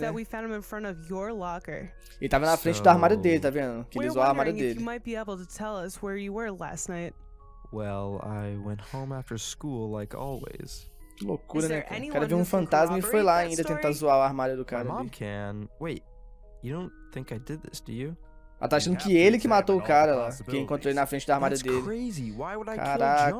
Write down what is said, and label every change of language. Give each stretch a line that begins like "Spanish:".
English: that we found him in front of your locker.
Portuguese: Ele tava na frente do armário dele, tá vendo? Que ele zoou o armário dele.
English: You might be able to tell us where you were last night. Well, I went home after school like always.
Portuguese: Que loucura, né, cara? O cara viu um fantasma e foi lá ainda tentar zoar o armário do cara.
English: My mom can. Wait, you don't think I did this, do you?
Portuguese: Ela tá achando que ele que matou o cara lá, que encontrou ele na frente do armário dele. Caraca.